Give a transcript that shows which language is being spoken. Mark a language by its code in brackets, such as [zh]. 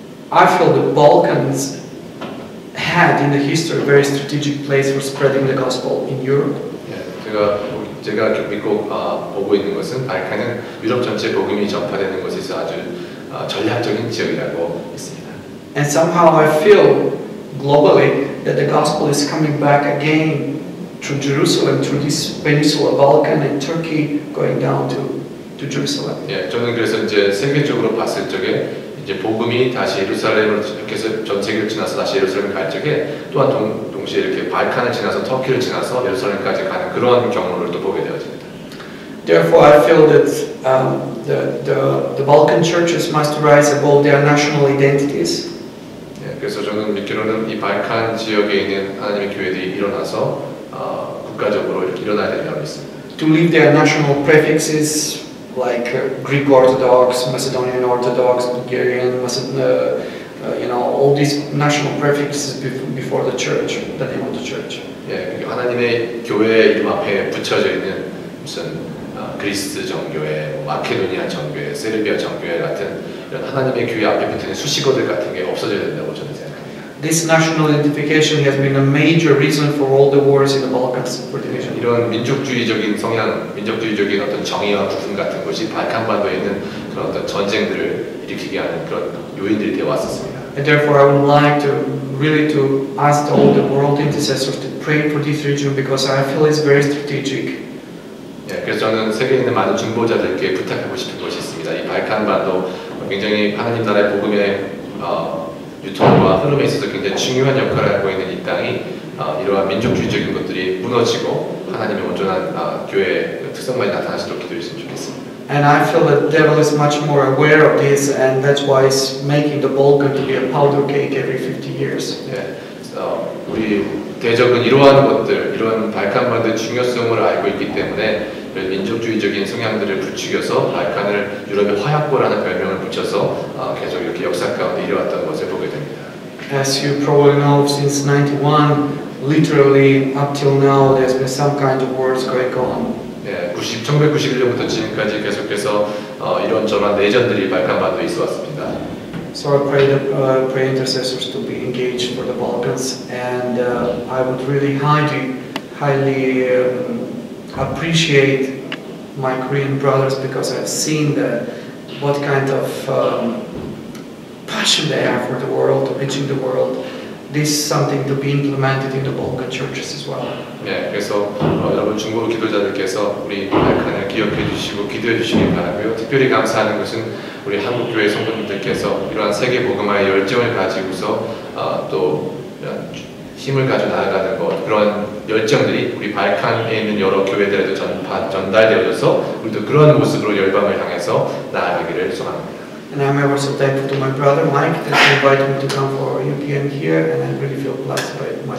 [en] I feel the Balkans had in the history a very strategic place for spreading the gospel in Europe. [ko] Yeah, 제가 믿고 보고 있는 것은 발칸은 유럽 전체 복음이 전파되는 곳에서 아주 전략적인 지역이라고 믿습니다. [en] And somehow I feel globally that the gospel is coming back again through Jerusalem, through this peninsula, Balkan and Turkey, going down to. [ko] 예, 저는 그래서 이제 세계적으로 봤을 적에 이제 복음이 다시 예루살렘으로 이렇게서 전 세계를 지나서 다시 예루살렘 갈 적에 또한 동시에 이렇게 발칸을 지나서 터키를 지나서 예루살렘까지 가는 그러한 경로를 또 보게 되었습니다. [en] Therefore, I feel that the Balkan churches must rise above their national identities. [ko] 예, 그래서 저는 믿기로는 이 발칸 지역에 있는 하나님의 교회들이 일어나서 국가적으로 이렇게 일어나야 된다고 믿습니다. [en] To leave their national prefixes. Like Greek Orthodox, Macedonian Orthodox, Bulgarian, all these national prefixes before the church, the name of the church. [ko] 예, 하나님의 교회 이름 앞에 붙여져 있는 무슨 그리스 정교회, 마케도니아 정교회, 세르비아 정교회 같은 이런 하나님의 교회 앞에 붙는 수식어들 같은 게 없어져야 된다고 저는 생각합니다. [en] This national identification has been a major reason for all the wars in the Balkans. [ko] 이런 민족주의적인 성향, 민족주의적인 어떤 정의와 구분 같은 것이 발칸반도에 있는 그런 어떤 전쟁들을 일으키게 하는 그런 요인들이 되어 왔었습니다. [en] And therefore, I would like to really to ask all the world intercessors to pray for this region because I feel it's very strategic. [ko] 예, 그래서 저는 세계에 있는 많은 중보자들께 부탁하고 싶은 것이 있습니다. 이 발칸반도 굉장히 하나님 나라의 복음의 유통과 흐름에 있어서 굉장히 중요한 역할을 하고 있는 이 땅이 이러한 민족주의적인 것들이 무너지고 하나님의 온전한 교회의 특성만이 나타나시도록 기도했으면 좋겠습니다. [en] And I feel that devil is much more aware of this and that's why it's making the Balkan to be a powder keg every 50 years. [ko] 예, 우리 대적은 이러한 것들, 이러한 발칸반도의 중요성을 알고 있기 때문에 민족주의적인 성향들을 부추겨서 발칸을 유럽의 화약고라는 별명을 붙여서 계속 이렇게 역사 가운데 이뤄왔던 것을 보게 됩니다. [en] As you probably know, since 91, literally up till now, there's been some kind of wars going on. [ko] 예, 1991년부터 지금까지 계속해서 이런저런 내전들이 발칸반도에 있어왔습니다. [en] So I pray the pray intercessors to be engaged for the Balkans, and I would really highly, highly appreciate my Korean brothers because I've seen what kind of passion they have for the world, reaching the world. This is something to be implemented in the Balkan churches as well. [ko] 네, 그래서 여러분 중보로 기도자들께서 우리 발칸을 기억해 주시고 기도해 주시기 바라고요. 특별히 감사하는 것은 우리 한국 교회 성도님들께서 이러한 세계 복음화의 열정을 가지고서 또 힘을 가지고 나아가는 것, 그런 열정들이 우리 발칸에 있는 여러 교회들에도 전달되어져서 우리도 그런 모습으로 열방을 향해서 나아가기를 소망합니다. [en] And I'm also thankful to my brother Mike that he invited me to come for UPM here, and I really feel blessed by it.